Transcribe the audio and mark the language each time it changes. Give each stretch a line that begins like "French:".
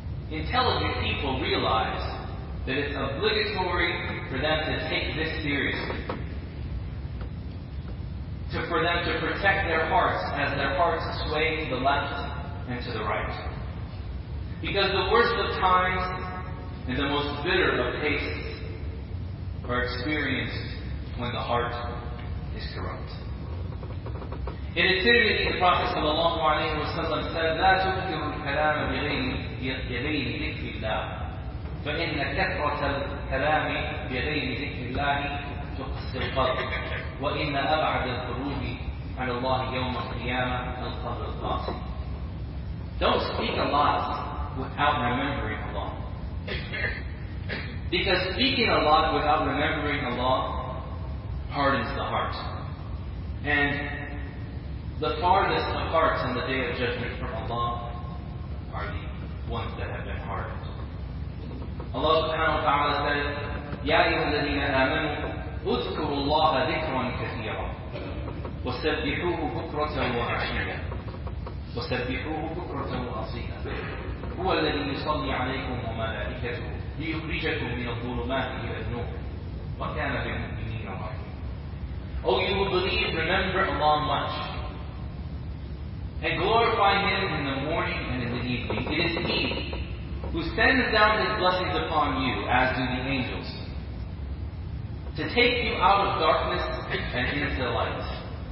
English: Intelligent people realize that it's obligatory for them to take this seriously, for them to protect their hearts as their hearts sway to the left and to the right. Because the worst of times and the most bitter of tastes are experienced when the heart is corrupt. In a Tirmidhi, the Prophet sallallahu alaihi wasallam said,
Arabic: لا تذكر الكلام بغير ذكر الله فإن كثرة الكلام بغير ذكر الله تقسي القلب وإن أبعد الخروج عن الله يوم القيامة القبر القاسي.
English: Don't speak a lot without remembering Allah. Because speaking a lot without remembering Allah hardens the heart. And the farthest of hearts on the Day of Judgment from Allah are the ones that have been hardened. Allah subhanahu wa ta'ala said,
Arabic: يَا أَيُّهَا الَّذِينَ آمَنُوا اذكروا الله ذكرا كثيرا وسبحوه بكرة وعشيا وسبحوه بكرة وأصيلا. هو الذي يصلي عليكم وملائكته ليخرجكم من الظلمات إلى النور وكان بالمؤمنين رحيما.
English: Oh, you who believe, remember Allah much and glorify Him in the morning and in the evening. It is He who sends down His blessings upon you, as do the angels, to take you out of darkness and into light.